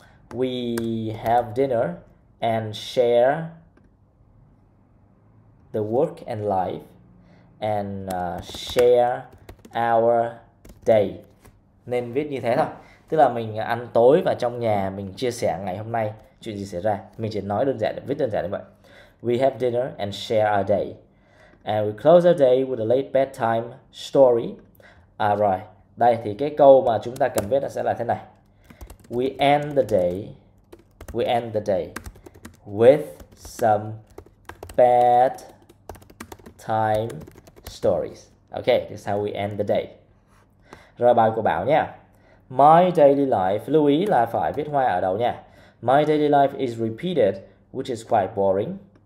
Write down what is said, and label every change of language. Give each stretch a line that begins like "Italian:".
English: We have dinner and share the work and life and share our day.
Vietnamese: Nên viết như thế thôi. Tức là mình ăn tối và trong nhà mình chia sẻ ngày hôm nay chuyện gì xảy ra. Mình chỉ nói đơn giản, viết đơn giản như vậy.
English: We have dinner and share our day. And we close our day with a late bedtime story.
Vietnamese: À rồi, đây thì cái câu mà chúng ta cần viết nó sẽ là thế này.
English: We end the day with some bedtime stories. Okay, this is how we end the day.
Vietnamese: Rồi bài của Bảo nha.
English: My daily life,
Vietnamese: lưu ý là phải viết hoa ở đầu nha.
English: My daily life is repeated, which is quite boring.